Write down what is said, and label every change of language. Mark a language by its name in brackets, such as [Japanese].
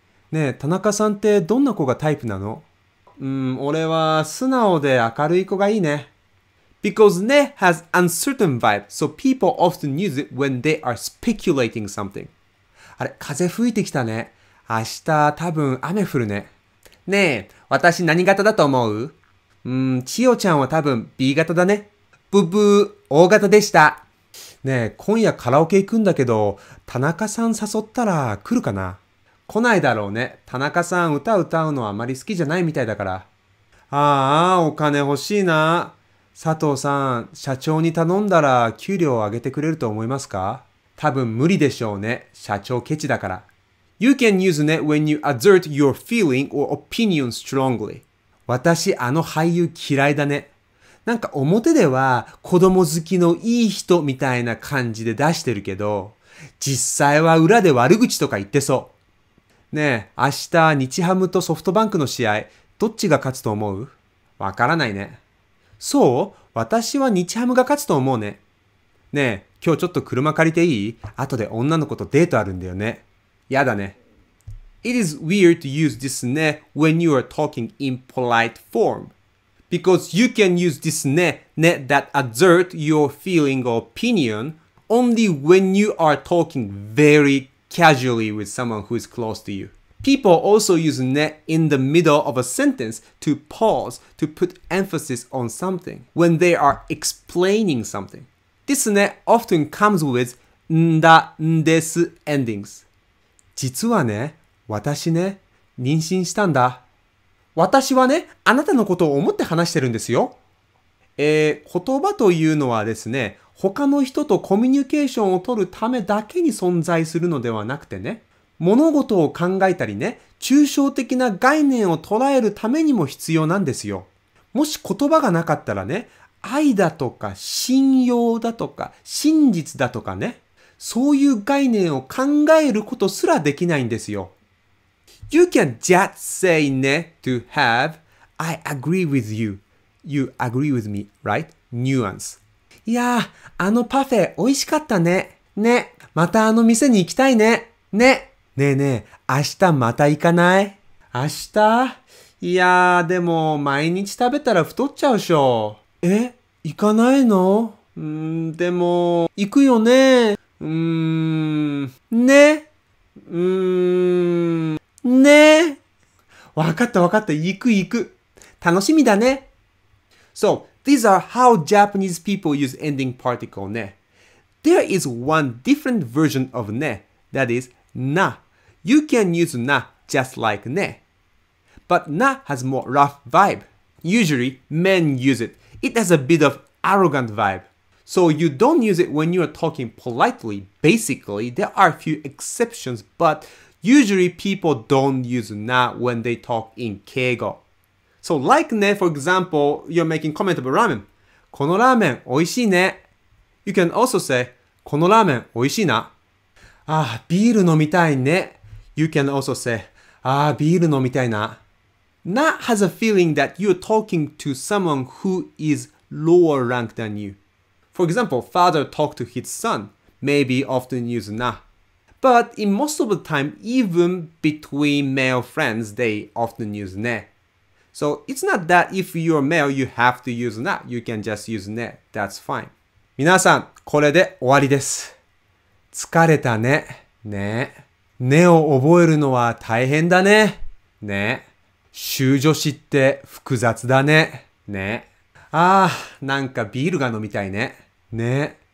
[Japanese] ねえ、田中さんってどんな子がタイプなの？俺は素直で明るい子がいいね。 [English] Because ne has uncertain vibe, so people often use it when they are speculating something. [Japanese] あれ、風吹いてきたね。明日多分雨降るね。ねえ、私何型だと思う？千代ちゃんは多分 B 型だね。ブブー、O 型でした。ねえ、今夜カラオケ行くんだけど、田中さん誘ったら来るかな？来ないだろうね。田中さん歌歌うのはあまり好きじゃないみたいだから。ああ、お金欲しいな。佐藤さん、社長に頼んだら給料を上げてくれると思いますか？多分無理でしょうね。社長ケチだから。 [English] You can use net when you assert your feeling or opinion strongly. [Japanese] 私、あの俳優嫌いだね。なんか表では子供好きのいい人みたいな感じで出してるけど、実際は裏で悪口とか言ってそう。ねえ、明日日ハムとソフトバンクの試合、どっちが勝つと思う？わからないね。そう？私は日ハムが勝つと思うね。ねえ、今日ちょっと車借りていい？後で女の子とデートあるんだよね。やだね。 [English] It is weird to use this ne when you are talking in polite form. Because you can use this ne that assert your feeling or opinion only when you are talking very casually with someone who is close to you. People also use ne in the middle of a sentence to pause, to put emphasis on something when they are explaining something. This ne often comes with んだんです endings. [Japanese] 実はね、私ね、妊娠したんだ。私はね、あなたのことを思って話してるんですよ。言葉というのはですね、他の人とコミュニケーションを取るためだけに存在するのではなくてね、物事を考えたりね、抽象的な概念を捉えるためにも必要なんですよ。もし言葉がなかったらね、愛だとか信用だとか真実だとかね、そういう概念を考えることすらできないんですよ。 [English] You can just say ne to have I agree with you. You agree with me, right? Nuance. [Japanese] いやー、あのパフェ美味しかったね。ね。またあの店に行きたいね。ね。ねえねえ、明日また行かない？明日？いやー、でも毎日食べたら太っちゃうしょ。え？行かないの？でも行くよね。ね？ね？わかったわかった、行く行く、楽しみだね。 [English] So these are how Japanese people use ending particle ね。 There is one different version of ne, that is na. You can use na just like ne. But na has more rough vibe. Usually, men use it. It has a bit of arrogant vibe. So you don't use it when you are talking politely. Basically, there are a few exceptions, but usually people don't use na when they talk in keigo. So like ne, for example, you're making comment about ramen. [Japanese] このラーメン美味しいね。 [English] You can also say, [Japanese] このラーメン美味しいな。ああ、ビール飲みたいね。 [English] You can also say, [Japanese] ああ、ビール飲みたいな。 [English] Na has a feeling that you're talking to someone who is lower rank than you. For example, father talked to his son, maybe often use na. But in most of the time, even between male friends, they often use ne. So it's not that if you're male, you have to use na. You can just use ne. That's fine. [Japanese] 皆さん、これで終わりです。疲れたね。ね。ねを覚えるのは大変だね。ね。終助詞って複雑だね。ね。ああ、なんかビールが飲みたいね。ね。